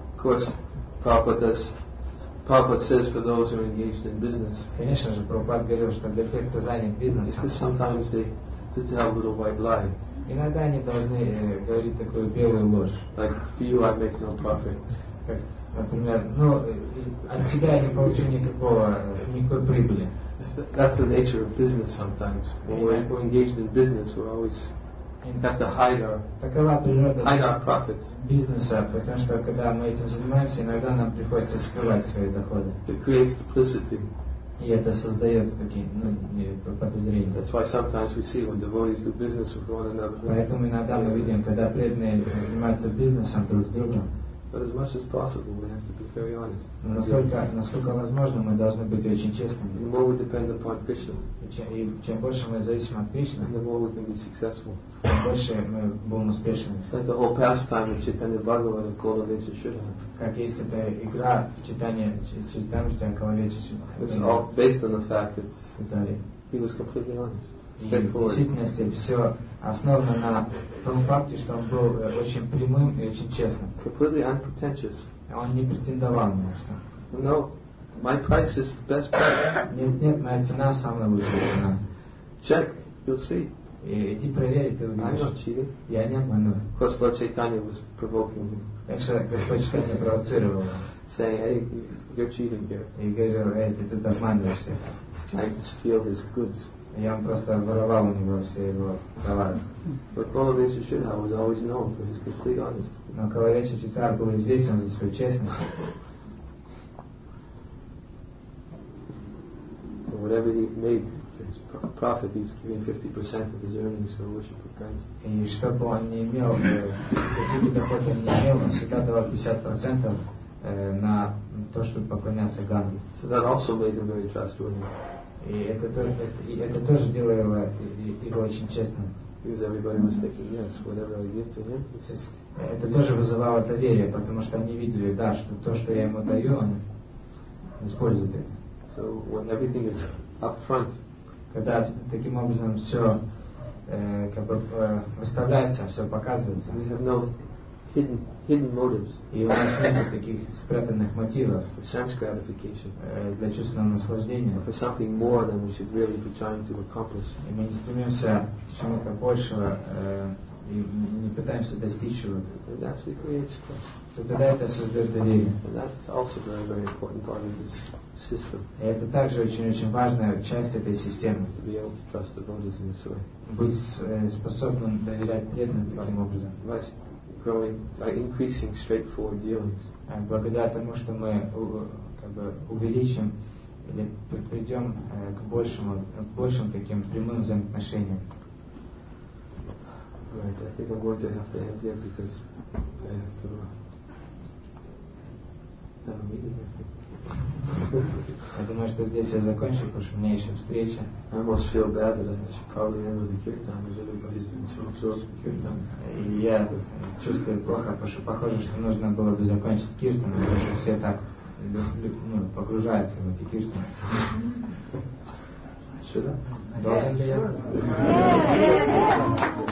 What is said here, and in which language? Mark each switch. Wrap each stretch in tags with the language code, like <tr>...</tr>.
<en>Of course, Prabhupada says for those who are engaged in business.</en> <ru>Конечно же, Прабхупада говорил, что для тех, кто занят бизнесом.</ru> <en>Because sometimes they tell a little white lie.</en> <ru>Иногда они должны говорить такую белую ложь.</ru> <en>Like, for you, I make no profit.</en> <ru>Как, например, ну, от тебя я не получу никакой прибыли.</ru> <en>That's the nature of business sometimes. When we're engaged in business, we're always have to hide our profits.</en> <ru>Бизнеса, потому что когда мы этим занимаемся, иногда нам приходится скрывать свои доходы.</ru> <en>It creates duplicity.</en> <ru>И это создает такие, ну, подозрения.</ru> <en>That's why sometimes we see when devotees do business with one another.</en> <ru>Поэтому иногда мы видим, когда преданные занимаются бизнесом друг с другом.</ru> <en>But as much as possible, we have to be very honest.</en> <ru>Насколько возможно, мы должны быть очень честными.</ru> <en>The more we depend upon Krishna,</en> <ru>чем больше мы зависим от Кришны,</ru> <en>the more we can be successful.</en> <ru>Тем больше мы будем успешными.</ru> <en>It's like the whole pastime of Chaitanya Bhagavata, Kalavecha Shuddha.</en> <ru>Как есть эта игра в читании Калавечи Шудха.</ru> <en>It's all based on the fact that he was completely honest.</en> <ru>В действительности все основано на том факте, что он был очень прямым и очень честным.</ru> <en>Completely unpretentious.</en> <ru>Он не претендовал ни на что.</ru> <en>No, my price is the best price.</en> <ru>Нет, моя цена самая лучшая цена.</ru> <en>Check, you'll see.</en> <ru>Иди проверь, ты увидишь. Я не обманываю.</ru> <en>Of course, Lord Chaitanya was provoking him.</en> <ru>Конечно, Господь Chaitanya провоцировал.</ru> <en>Saying, hey, you're cheating here.</en> <ru>И говорил, эй, ты тут обманываешься.</ru> <en>He's trying to steal his goods.</en> <ru>Я просто воровал у него все его товары.</ru> <en>But Kalavecha Shuddha was always known for his complete honesty.</en> <ru>Но Kalavecha Chaitanya был известен за свою честность.</ru> <en>But whatever he made for his profit, he was giving 50% of his earnings for worship of Krishna.</en> <ru>И что бы он ни имел, какие бы доходы он ни имел, он всегда давал 50% на то, чтобы поклоняться Ганге.</ru> <en>So that also made him very trustworthy.</en> <ru>И это тоже делало его очень честным. Это тоже вызывало доверие, потому что они видели, да, что то, что я ему даю, он использует это.</ru> <en>So when everything is up front,</en> <ru>когда таким образом все как бы выставляется, все показывается,</ru> <en>we have no hidden motives.</en> <ru>И у нас нет таких спрятанных мотивов</ru> <en>for sense gratification,</en> <ru>для чувственного наслаждения,</ru> <en>for something more than we should really be trying to accomplish.</en> <ru>И мы не стремимся к чему-то большего, и не пытаемся достичь чего-то.</ru> <en>It actually creates trust.</en> <ru>То тогда это создает доверие.</ru> <en>And that's also very, very important part of this system.</en> <ru>И это также очень-очень важная часть этой системы.</ru> <en>To be able to trust the devotees in this way.</en> <ru>Быть способным доверять преданным таким образом.</ru> <en>Growing by increasing straightforward dealings. And</en> <ru>благодаря тому, что мы как бы увеличим или придем к большим таким прямым взаимоотношениям.</ru> <en>Right, I think I'm going to have to end here because I have to have a meeting, I think.</en> <ru>Я думаю, что здесь я закончу, потому что у меня еще встреча.</ru> <en>I almost feel bad that I should call the end of the kirtan because everybody's been so absorbed in kirtan.</en> <ru>И я чувствую плохо, потому что похоже, что нужно было бы закончить киртан, потому что все так погружаются в эти киртаны. Сюда? Должен ли я?</ru>